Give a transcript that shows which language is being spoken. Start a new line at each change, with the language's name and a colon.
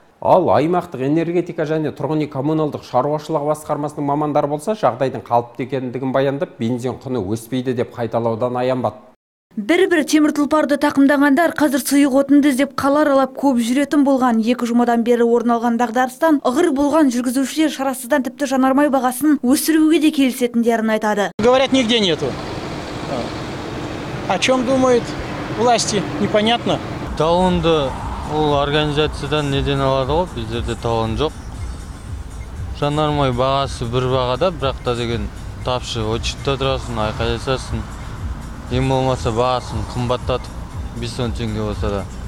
Kazakh: Ал аймақтық энергетика және тұрғын үй коммуналдық шаруашылық басқармасының мамандары болса, жағдайдың қалыпты екендігін баяндап, бензин құны өспейді деп қайталаудан аянбады. Бір-бір темір тұлпарды тақымдағандар қазір сұйық отынды іздеп қалар алып көп жүретін болған екі жұмадан бері орын алған дағдарыстан ығыр болған жүргізушілер шарасыздан тіпті жанармай бағасын өсіруге де келісетіндерін айтады.
Russian: Говорят, нигде нету. О чем думают власти, непонятно.
Kazakh: Талонды ол организациядан неден алады ғой, біздерде талон жоқ. Жанармай бағасы бір бағада, бірақ та деген тапшы, очередьте тұрасың, айқайласасың. Ең болмаса бағасын қымбаттатып 5-10 теңге болса да